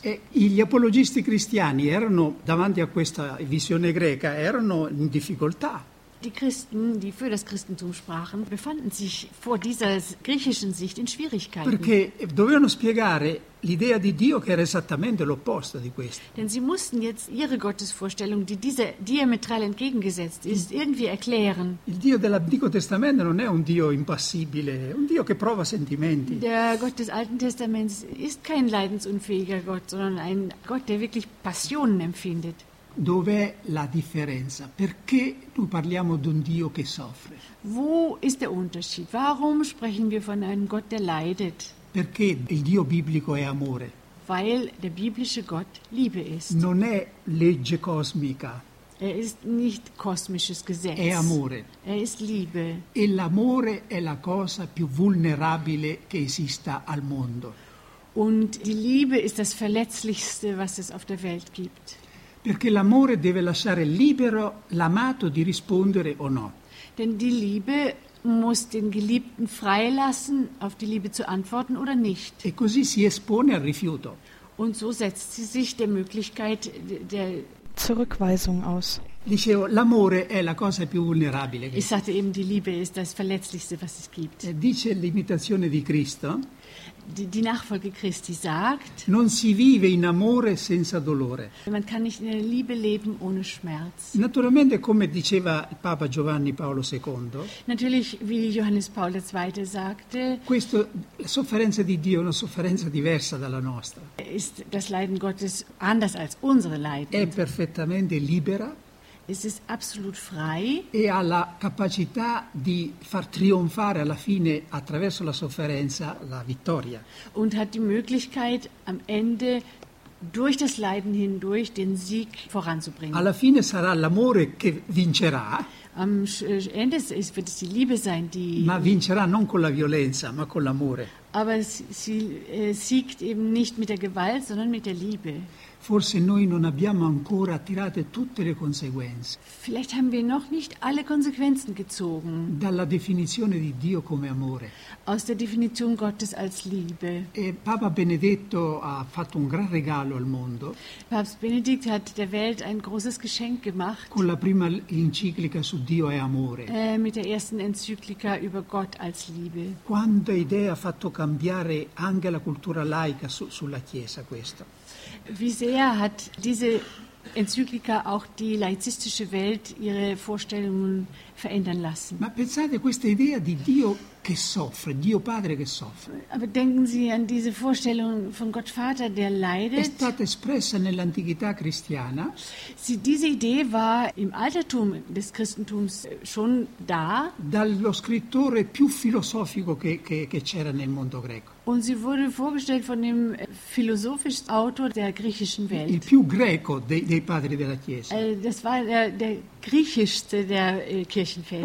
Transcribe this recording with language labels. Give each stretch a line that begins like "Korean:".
Italian: E gli apologisti cristiani erano, davanti a questa visione greca, erano in difficoltà.
German: Die Christen, die für das Christentum sprachen, befanden sich vor dieser griechischen Sicht in Schwierigkeiten.
Italian: Perché dovevano spiegare l'idea di Dio che era esattamente l'opposto di questo.
German: Denn sie mussten jetzt ihre Gottesvorstellung, die dieser diametral entgegengesetzt ist, irgendwie erklären.
Italian: Il Dio dell'Antico Testamento non è un Dio impassibile, un Dio che prova sentimenti.
German: Der Gott des Alten Testaments ist kein leidensunfähiger Gott, sondern ein Gott, der wirklich Passionen empfindet.
Italian: Dov'è la differenza? Perché noi parliamo di un Dio che soffre?
German: Wo ist der Unterschied? Warum sprechen wir von einem Gott, der leidet?
Italian: Perché il Dio biblico è amore.
German: Weil der biblische Gott Liebe ist.
Italian: Non è legge cosmica.
German: Er ist nicht kosmisches Gesetz.
Italian: È amore.
German: Er ist Liebe.
Italian: E l'amore è la cosa più vulnerabile che esista al mondo.
German: Und die Liebe ist das Verletzlichste, was es auf der Welt gibt.
Italian: Perché l'amore deve lasciare libero l'amato di rispondere o no.
German: Denn die Liebe muss den Geliebten freilassen, auf die Liebe zu antworten oder nicht.
Italian: E così si espone al rifiuto.
German: Und so setzt sie sich der Möglichkeit der Zurückweisung aus.
Italian: Dicevo, l'amore è la cosa più vulnerabile.
German: Ich sagte eben, die Liebe ist das Verletzlichste, was es gibt.
Italian: Dice l'imitazione di Cristo.
German: Die Nachfolge Christi sagt,
Italian: non si vive in amore senza dolore.
German: Man kann nicht in der Liebe leben ohne Schmerz.
Italian: Naturalmente, come diceva il Papa Giovanni Paolo II,
German: natürlich, wie Johannes Paul II sagte,
Italian: questo, la sofferenza di Dio è una sofferenza diversa dalla nostra.
German: Ist das Leiden Gottes anders als unsere Leiden.
Italian: È perfettamente libera.
German: Es ist absolut frei.
Italian: E ha la capacità di far trionfare alla fine attraverso la sofferenza la vittoria.
German: Und hat die Möglichkeit am Ende durch das Leiden hindurch den Sieg voranzubringen.
Italian: Alla fine sarà l'amore che vincerà.
German: Am Ende wird es die Liebe sein, die.
Italian: Ma vincerà non con la violenza, ma con l'amore.
German: Aber sie siegt eben nicht mit der Gewalt, sondern mit der Liebe.
Italian: Forse noi non abbiamo ancora tirate tutte le conseguenze.
German: Vielleicht haben wir noch nicht alle Konsequenzen gezogen.
Italian: Dalla definizione di Dio come amore.
German: Aus der Definition Gottes als Liebe.
Italian: E Papa Benedetto ha fatto un gran regalo al mondo.
German: Papst Benedikt hat der Welt ein großes Geschenk gemacht.
Italian: Con la prima enciclica su Dio e amore.
German: Mit der ersten Enzyklika über Gott als Liebe.
Italian: Quanta idea ha fatto cambiare anche la cultura laica sulla Chiesa questo.
German: Wie sehr hat diese Enzyklika auch die laizistische Welt ihre Vorstellungen verändern lassen?
Italian: Ma pensate questa idea di Dio che soffre, Dio Padre che soffre.
German: Aber denken Sie an diese Vorstellung von Gott Vater, der leidet.
Italian: È stata espressa nell'antichità cristiana.
German: Sie, diese Idee war im Altertum des Christentums schon da.
Italian: Dallo scrittore più filosofico che c'era nel mondo greco.
German: Und sie wurde vorgestellt von dem philosophischen Autor der griechischen Welt.
Italian: Il più greco dei padri della Chiesa.
German: Das war der griechischste der Kirchenväter.